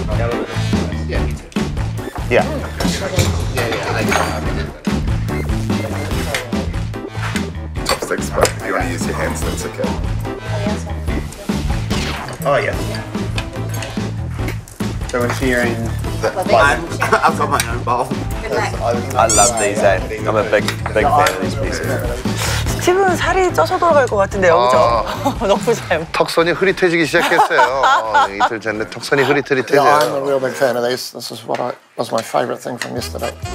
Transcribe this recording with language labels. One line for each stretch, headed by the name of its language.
English: But if you want to use your hands, that's okay. Oh, yeah. So we're sharing the I've got my own bowl. I love these, eh? I'm a big fan of these pieces.
Korean: 스티븐은 살이 쪄서 돌아갈 것 같은데요, 아, 그죠? 너무 잘. 턱선이 흐릿해지기 시작했어요. 이틀 전에 턱선이 흐릿해져요.
English: Yeah, I'm a real big fan of this. This is what I, was my favorite thing from yesterday.